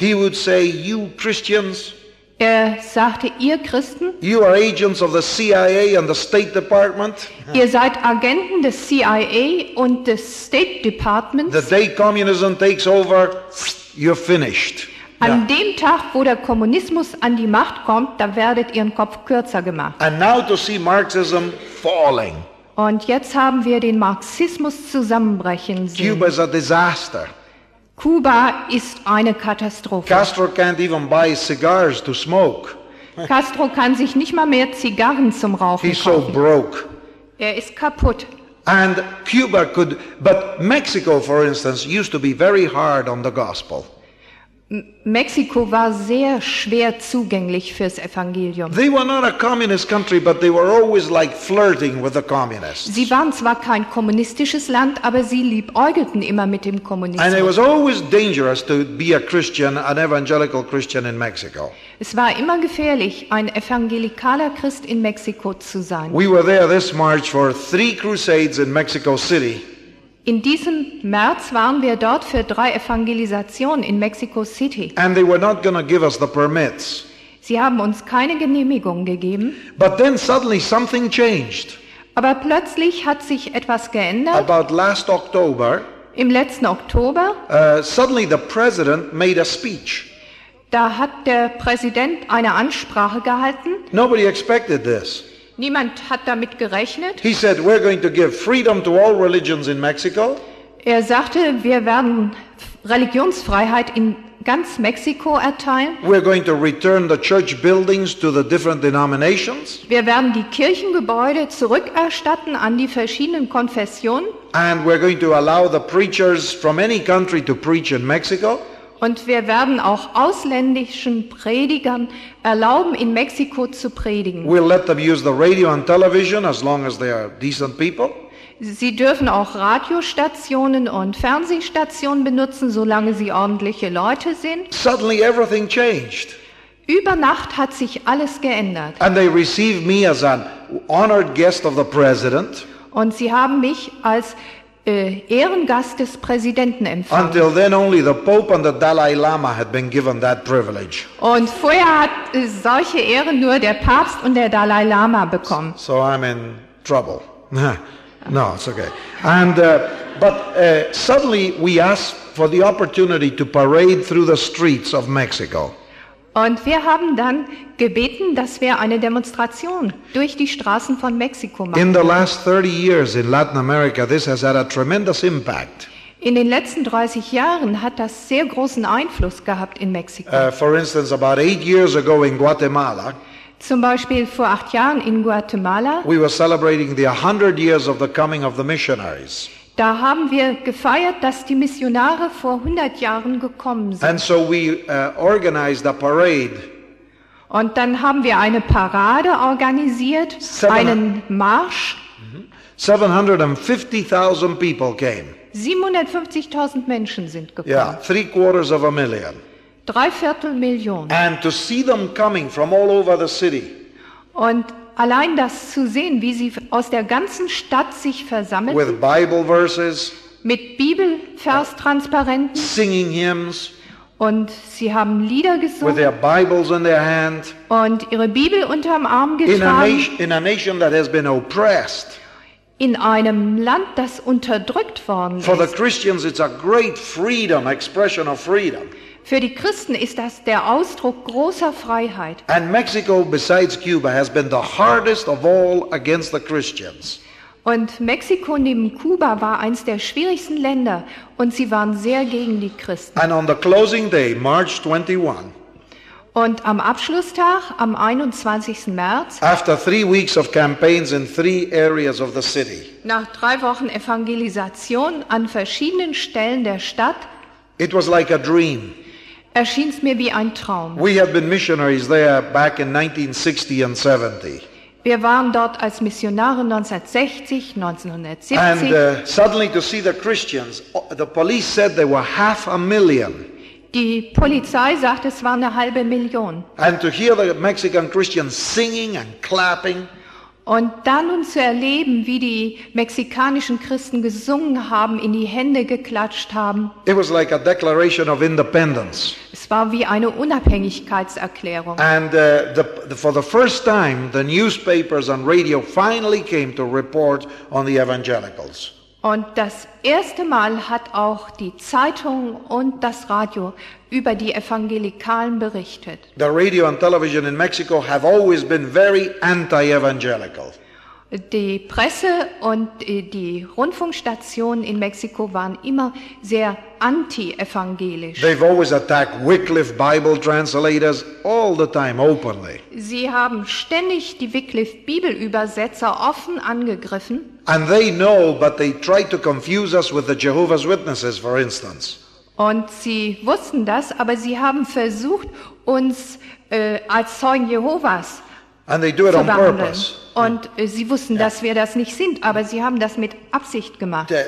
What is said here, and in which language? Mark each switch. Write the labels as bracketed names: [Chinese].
[English] He would say, "You Christians." [German] Er sagte, ihr Christen, [English] you are agents of the CIA and the State Department. [German] Ihr seid Agenten des CIA und des State Departments. [English] The day communism takes over, you're finished. An yeah. [German] dem Tag, wo der Kommunismus an die Macht kommt, da werdet ihr einen Kopf kürzer gemacht. [English] And now to see Marxism falling. [German] Und jetzt haben wir den Marxismus zusammenbrechen sehen. [English] Cuba is a disaster. [German] Kuba ist eine Katastrophe. [English] Castro can't even buy cigars to smoke. [German] Castro kann sich nicht mal mehr Zigarren zum Rauchen [English] He's [German] kaufen. [English] So broke. [German] Er ist kaputt. [English] And Cuba could, but Mexico, for instance, used to be very hard on the gospel. [German] Mexiko war sehr schwer zugänglich fürs Evangelium. [English] They were not a communist country, but they were always like flirting with the communists. [German] Sie waren zwar kein kommunistisches Land, aber sie liebäugelten immer mit dem Kommunismus. [English] And it was always dangerous to be a Christian, an evangelical Christian in Mexico. [German] Es war immer gefährlich, ein evangelikaler Christ in Mexiko zu sein. [English] We were there this March for three crusades in Mexico City. [German] In diesem März waren wir dort für drei Evangelisationen in Mexico City. [English] And they were not going to give us the permits. [German] Sie haben uns keine Genehmigung gegeben. [English] But then suddenly something changed. [German] Aber plötzlich hat sich etwas geändert. [English] About last October. [German] Im letzten Oktober. [English] Suddenly the president made a speech. [German] Da hat der Präsident eine Ansprache gehalten. [English] Nobody expected this. [German] Niemand hat damit gerechnet. [English] He said, "We're going to give freedom to all religions in Mexico." [German] Er sagte, wir werden Religionsfreiheit in ganz Mexiko erteilen. [English] "We're going to return the church buildings to the different denominations." [German] Wir werden die Kirchengebäude zurückerstatten an die verschiedenen Konfessionen. [English] "And we're going to allow the preachers from any country to preach in Mexico." [German] Und wir werden auch ausländischen Predigern erlauben, in Mexiko zu predigen. [English] We'll let them use the radio and television as long as they are decent people. [German] Sie dürfen auch Radiostationen und Fernsehstationen benutzen, solange sie ordentliche Leute sind. [English] Suddenly everything changed. [German] Über Nacht hat sich alles geändert. [English] And they received me as an honored guest of the president. [German] Und sie haben mich als Ehrengast des Präsidenten empfangen. [English] Until then only the Pope and the Dalai Lama had been given that privilege. [German] Und vorher hat solche Ehren nur der Papst und der Dalai Lama bekommen. [English] So I'm in trouble. No, it's okay. And suddenly we asked for the opportunity to parade through the streets of Mexico. [German] Und wir haben dann gebeten, dass wir eine Demonstration durch die Straßen von Mexiko machen. [English] In the last 30 years in Latin America, this has had a tremendous impact. [German] In den letzten 30 Jahren hat das sehr großen Einfluss gehabt in Mexiko. [English] For instance, about 8 years ago in Guatemala. [German] Zum Beispiel vor 8 Jahren in Guatemala. [English] We were celebrating the 100 years of the coming of the missionaries. [German] Da haben wir gefeiert, dass die Missionare vor 100 Jahren gekommen sind. [English] And so we, organized a parade. [German] Und dann haben wir eine Parade organisiert, einen Marsch. [English] 750,000 people came. [German] 750,000 Menschen sind gekommen. [English] Yeah, three quarters of a million. [German] Drei Viertel Millionen. [English] And to see them coming from all over the city. [German] Und allein das zu sehen, wie sie aus der ganzen Stadt sich versammelten, [English] with Bible verses, [German] mit Bibelvers-Transparenten, [English] singing hymns, [German] und sie haben Lieder gesungen, [English] with their Bibles in their hand, [German] und ihre Bibel unterm Arm getragen, [English] in a nation that has been oppressed, [German] in einem Land, das unterdrückt worden ist. [English] For the Christians it's a great freedom, expression of freedom. [German] Für die Christen ist das der Ausdruck großer Freiheit. [English] And Mexico, besides Cuba, has been the hardest of all against the Christians. [German] Und Mexiko neben Kuba war eins der schwierigsten Länder und sie waren sehr gegen die Christen. [English] And on the closing day, March 21, [German] und am Abschlusstag, am 21. März, [English] after 3 weeks of campaigns in 3 areas of the city, [German] nach 3 Wochen Evangelisation an verschiedenen Stellen der Stadt, [English] it was like a dream. [German] Erschien es mir wie ein Traum. [English] We had been missionaries there back in 1960 and 70. [German] Wir waren dort als Missionare 1960, 1970. [English] And suddenly to see the Christians, the police said they were 500,000. [German] Die Polizei sagt, es war 500,000. [English] And to hear the Mexican Christians singing and clapping. [German] Und dann nun zu erleben, wie die mexikanischen Christen gesungen haben, in die Hände geklatscht haben. [English] It was like a declaration of independence. [German] Es war wie eine Unabhängigkeitserklärung. [English] And for the first time, the newspapers and radio finally came to report on the evangelicals. [German] Und das erste Mal hat auch die Zeitung und das Radio über die Evangelikalen berichtet. [English] The radio and television in Mexico have always been very anti-evangelical. [German] Die Presse und die Rundfunkstationen in Mexiko waren immer sehr anti-evangelisch. [English] They've always attacked Wycliffe Bible translators all the time openly. [German] Sie haben ständig die Wycliffe Bibelübersetzer offen angegriffen. [English] And they know, but they try to confuse us with the Jehovah's Witnesses, for instance. [German] Und sie wussten das, aber sie haben versucht, uns als Zeugen Jehovas [English] and they do it [German] zu [English] on [German] behandeln. [English] Purpose. [German] Und sie wussten, dass wir das nicht sind, aber sie haben das mit Absicht gemacht.